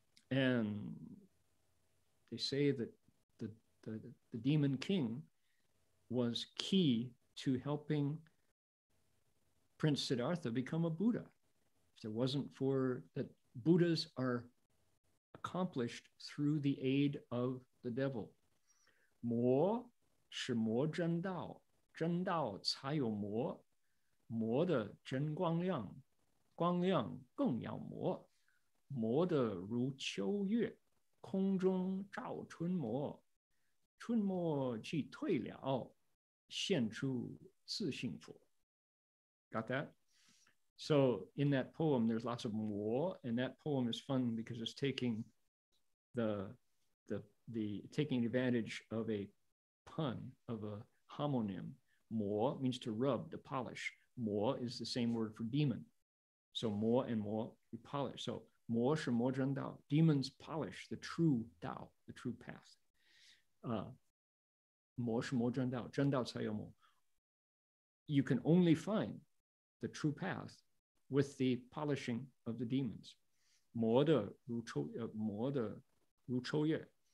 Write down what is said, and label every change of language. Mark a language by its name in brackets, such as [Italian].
[English] And they say that the demon king was key to helping Prince Siddhartha become a Buddha. If it wasn't for that, Buddhas are accomplished through the aid of the devil. [Chinese] 魔是磨真道，真道才有魔，魔的真光亮，光亮更要魔，魔的如秋月，空中照春魔，春魔既退了，现出自性佛。 [English] Got that? So in that poem, there's lots of "mo," and that poem is fun because it's taking the taking advantage of a pun of a homonym. "Mo" means to rub, to polish. "Mo" is the same word for demon. So "mo" and "mo" you polish. So "mo" shi [Chinese] "mo zhen dao." [English] Demons polish the true Dao, the true path. "Mo" shi "mo zhen dao." [Chinese] Zhen dao cai you mo. [English] You can only find the true path with the polishing of the demons. [Chinese] 魔的如秋月, 魔的如秋月.